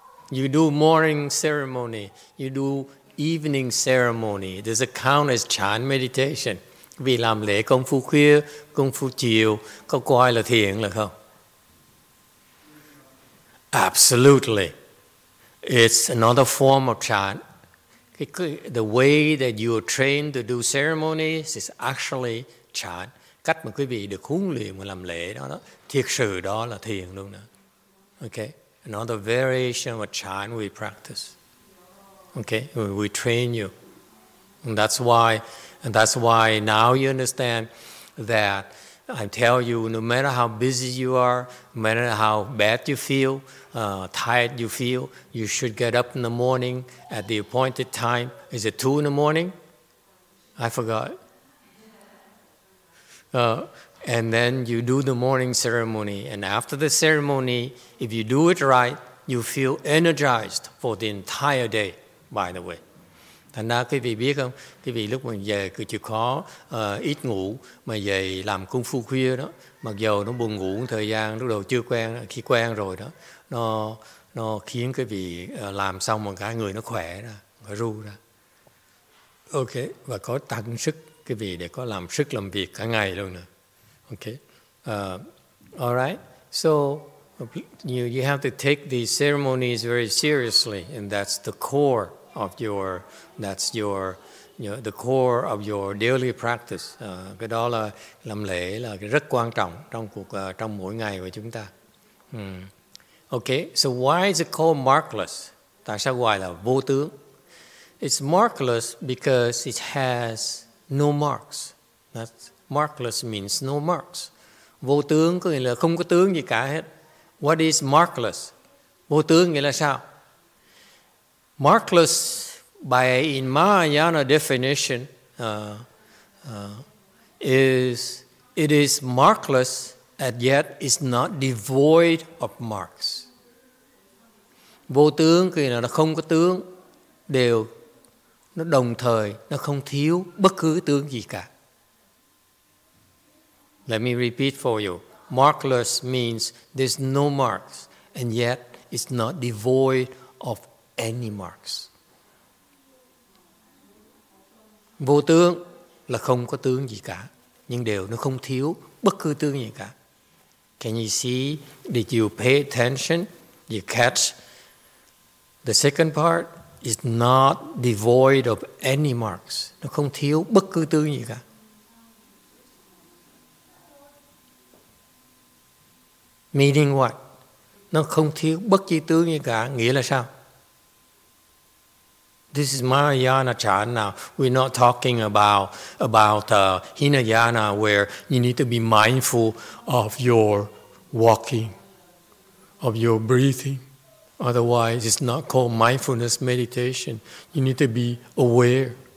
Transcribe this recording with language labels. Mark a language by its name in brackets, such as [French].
[English] You do morning ceremony, you do evening ceremony, does it count as chan meditation? [Vietnamese] Vì làm lễ công phu khuya, công phu chiều, có coi là thiền là không? [English] Absolutely. It's another form of chant. The way that you are trained to do ceremonies is actually chant. [Vietnamese] Cách mà quý vị được huấn luyện và làm lễ đó, thiệt sự đó là thiền luôn đó. [English] Okay? Another variation of chant we practice. Okay? We train you. And that's why now you understand that I tell you, no matter how busy you are, no matter how bad you feel, tired you feel, you should get up in the morning at the appointed time. Is it 2 in the morning? I forgot. And then you do the morning ceremony. And after the ceremony, if you do it right, you feel energized for the entire day, by the way. [Vietnamese] Thành ra quý vị biết không, quý vị lúc mà về cứ chịu khó ít ngủ mà về làm công phu khuya đó, mặc dù nó buồn ngủ một thời gian, lúc đầu chưa quen, khi quen rồi đó, nó khiến quý vị làm xong một cái người nó khỏe ra, nó ru ra. Ok, và có tăng sức quý vị để có làm sức làm việc cả ngày luôn nè. [English] Ok, alright, so you have to take these ceremonies very seriously and that's the core of your, that's your, you know, the core of your daily practice. [Vietnamese] Cái đó là làm lễ là rất quan trọng trong cuộc trong mỗi ngày của chúng ta. [English] Okay, so why is it called markless? [Vietnamese] Tại sao gọi là vô tướng? [English] It's markless because it has no marks. That's markless means no marks. [Vietnamese] Vô tướng có nghĩa là không có tướng gì cả hết. [English] What is markless? [Vietnamese] Vô tướng nghĩa là sao? [English] Markless, by in Mahayana definition, it is markless, and yet it's not devoid of marks. [Vietnamese] Vô tướng thì là nó không có tướng, đều nó đồng thời, nó không thiếu bất cứ tướng gì cả. [English] Let me repeat for you. Markless means there's no marks, and yet it's not devoid of any marks. [Vietnamese] Vô tướng là không có tướng gì cả, nhưng đều nó không thiếu bất cứ tướng gì cả. [English] Can you see? Did you pay attention? You catch? The second part is not devoid of any marks. [Vietnamese] Nó không thiếu bất cứ tướng gì cả. Meaning what? Nó không thiếu bất kỳ tướng gì cả. Nghĩa là sao? [English] This is Mahayana Chan now. We're not talking about Hinayana, where you need to be mindful of your walking, of your breathing. Otherwise, it's not called mindfulness meditation. You need to be aware.